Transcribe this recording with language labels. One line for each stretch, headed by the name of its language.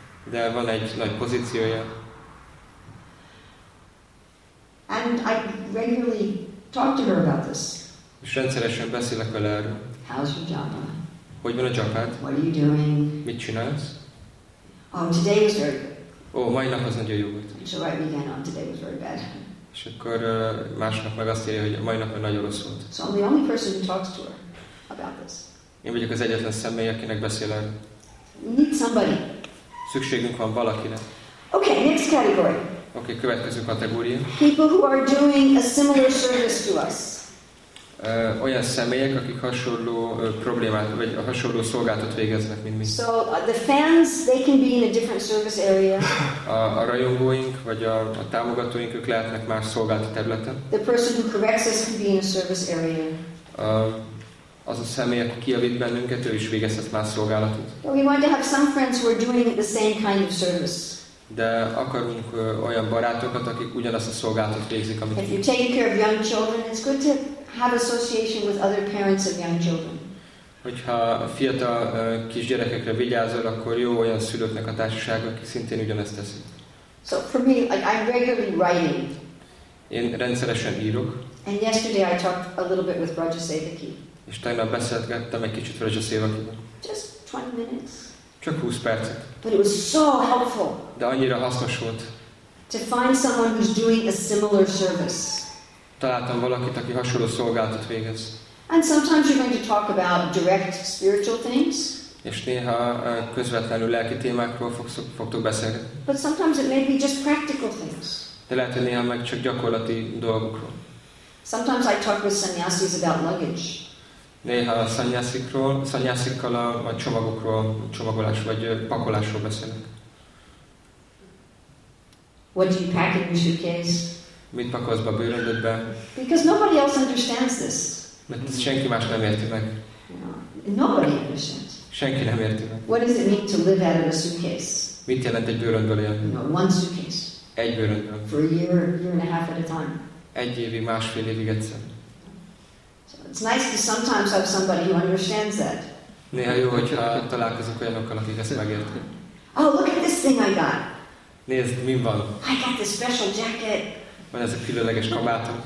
Hungarian: De van egy nagy pozíciója.
English: And I regularly talk to her about this.
Hungarian: És rendszeresen beszélek vele erről.
English: How's your japa?
Hungarian: Hogy van a japád?
English: What are you doing?
Hungarian: Mit csinálsz?
English: Today was very good.
Hungarian: Oh, mai nap az nagyon jó volt.
English: She'll write me again, today was very bad.
Hungarian: És akkor másnap meg azt írja, hogy mai nap nagyon rossz volt.
English: So I'm the only person who talks to her about this.
Hungarian: Én vagyok az egyetlen személy, akinek beszél erről.
English: Need somebody.
Hungarian: Szükségünk van valakire.
English: Okay, next category.
Hungarian: Okay, következő kategória.
English: People who are doing a similar service to us.
Hungarian: Olyan személyek, akik hasonló problémát vagy hasonló szolgálatot végeznek, mint mi.
English: So the fans, they can be in a different service area.
Hungarian: A rajongóink vagy a támogatóink, ők lehetnek más szolgálati területen.
English: The person who corrects us can be in a service area.
Hungarian: Az a személy, aki kijavít bennünket, ő is végezhet más szolgálatot.
English: We want to have some friends who are doing the same kind of service.
Hungarian: De akarunk olyan barátokat, akik ugyanazt a szolgálatot végzik, amit.
English: If you take care of young children, it's good to have association with other parents of young children.
Hungarian: Hogyha a fiatal kisgyerekekre vigyázol, akkor jó olyan szülőknek a társasága, aki szintén ugyanezt teszi.
English: So for me, I'm regularly writing.
Hungarian: Én rendszeresen írok.
English: And yesterday I talked a little bit with Raja Sevaki.
Hungarian: És tegnap beszélgettem egy kicsit Raja Sevakival.
English: Just 20 minutes.
Hungarian: Csak 20 percet.
English: But it was so helpful.
Hungarian: De annyira hasznos volt.
English: To find someone who's doing a similar service.
Hungarian: Találtam valakit, aki hasonló szolgálatot végez.
English: And sometimes you're going to talk about direct spiritual things.
Hungarian: És néha közvetlenül lelki témákról fogtok beszélni.
English: But sometimes it may be just practical things.
Hungarian: De lehet, hogy néha meg csak gyakorlati dolgokról.
English: Sometimes I talk with sannyasis about luggage.
Hungarian: Néha a szanyászikkal a csomagokról, a csomagolás vagy pakolásról beszélek.
English: What do you pack in your suitcase?
Hungarian: Mit pakolsz be a bőröndödbe?
English: Because nobody else understands this.
Hungarian: Mert senki más nem érti meg.
English: Nobody understands.
Hungarian: Senki nem érti meg.
English: What does it mean to live out of a suitcase?
Hungarian: Mit jelent egy bőröndből élni?
English: No, one suitcase.
Hungarian: Egy bőröndből.
English: For a year, year and a half at a time.
Hungarian: Egy évi, másfél évig egyszer.
English: It's nice to sometimes have somebody who understands that.
Hungarian: Néha jó, hogyha találkozok olyanokkal, akik ezt megértik.
English: Oh, look at this thing I got.
Hungarian: Nézd, mi van.
English: I got this special jacket.
Hungarian: Van ez a különleges kabátom.